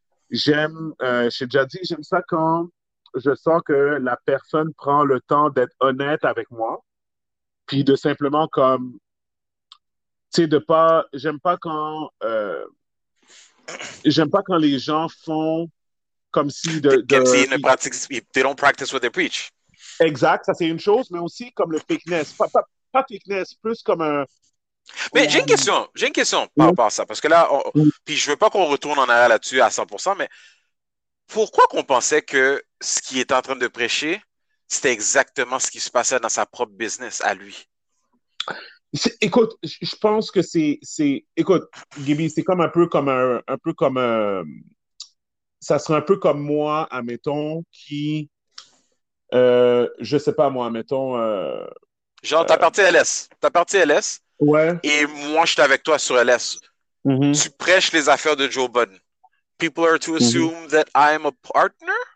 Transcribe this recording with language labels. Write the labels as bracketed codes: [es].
[fr] J'ai déjà dit, j'aime ça quand je sens que la personne prend le temps d'être honnête avec moi, puis de simplement comme, tu sais, j'aime pas quand les gens font comme si Comme de s'ils ne pratiquent, [en] they don't practice what they preach. [fr] Exact, ça c'est une chose, mais aussi comme le fakeness. Pas fakeness, plus comme un. Mais j'ai une question par rapport à ça, parce que là, puis je veux pas qu'on retourne en arrière là-dessus à 100%, mais pourquoi qu'on pensait que ce qu'il est en train de prêcher, c'était exactement ce qui se passait dans sa propre business à lui? Écoute, je pense que c'est. Écoute, Gibby, c'est comme un peu comme un. Un peu comme un. Ça serait un peu comme moi, admettons, qui. Je sais pas, moi, mettons. Genre, t'as parti LS. T'as parti LS. Ouais. Et moi, je suis avec toi sur LS. Tu prêches les affaires de Joe Budden. [en] People are to assume that I am a partner?